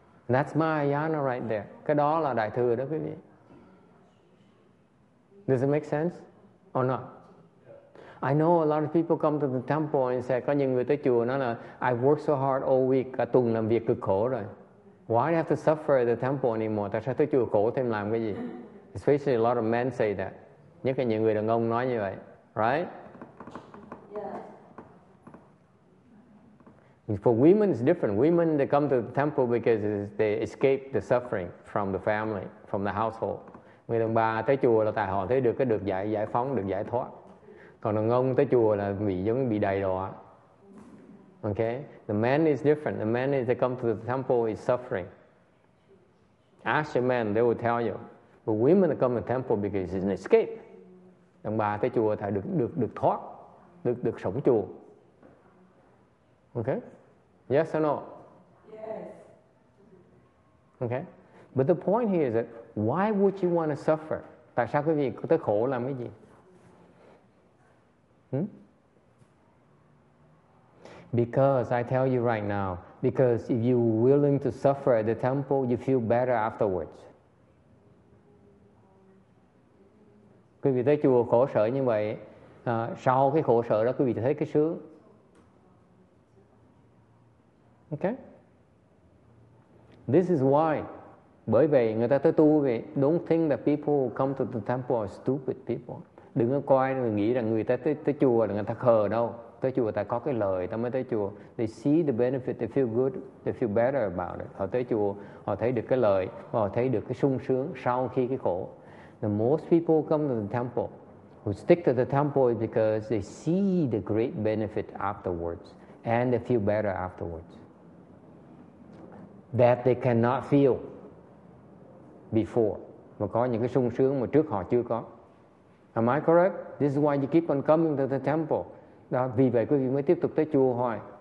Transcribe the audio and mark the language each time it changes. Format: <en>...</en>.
<en>That's Mahayana right there.</en> <vi>Cái đó là đại thừa đó quý vị.</vi> <en>Does it make sense or not? I know a lot of people come to the temple and say,</en> <vi>có những người tới chùa nói là,</vi> <en>I work so hard all week,</en> <vi>cả tuần làm việc cực khổ rồi.</vi> <en>Why do I have to suffer at the temple anymore?</en> <vi>Tại sao tới chùa khổ thêm làm cái gì?</vi> <en>Especially a lot of men say that.</en> <vi>Nhất là những người đàn ông nói như vậy.</vi> <en>Right? Yeah. For women, it's different. Women, they come to the temple because they escape the suffering from the family, from the household.</en> <vi>Người đàn bà tới chùa là tại họ thấy được cái được giải phóng, được giải thoát. Còn đàn ông tới chùa là bị giống bị đày đọa. Okay?</vi> <en>The man is different. The man is, they come to the temple is suffering. Ask a man, they will tell you. But women come to the temple because it's an escape.</en> <vi>Đàn bà tới chùa thì được thoát, được sống chùa.</vi> <en>Okay? Yes or no? Yes. Okay? But the point here is that why would you want to suffer?</en> <vi>Tại sao quý vị tới khổ làm cái gì?</vi> <en>Because I tell you right now, because if you're willing to suffer at the temple, you feel better afterwards.</en> <vi>Quý vị tới chùa khổ sở như vậy, sau cái khổ sở đó quý vị thấy cái sướng.</vi> <en>Okay? This is why.</en> <vi>Bởi vậy người ta tới tu vậy.</vi> <en>Don't think that people who come to the temple are stupid people.</en> <vi>Đừng có coi người nghĩ rằng người ta tới chùa là người ta khờ đâu. Tới chùa ta có cái lời, ta mới tới chùa.</vi> <en>They see the benefit, they feel good, they feel better about it.</en> <vi>Họ tới chùa, họ thấy được cái lời, họ thấy được cái sung sướng sau khi cái khổ.</vi> <en>The most people come to the temple, who stick to the temple is because they see the great benefit afterwards. and they feel better afterwards that they cannot feel before.</en> <vi>Mà có những cái sung sướng mà trước họ chưa có.</vi> <en>Am I correct? This is why you keep on coming to the temple.</en> <vi>Đó, vì vậy quý vị mới tiếp tục tới chùa hoài.</vi>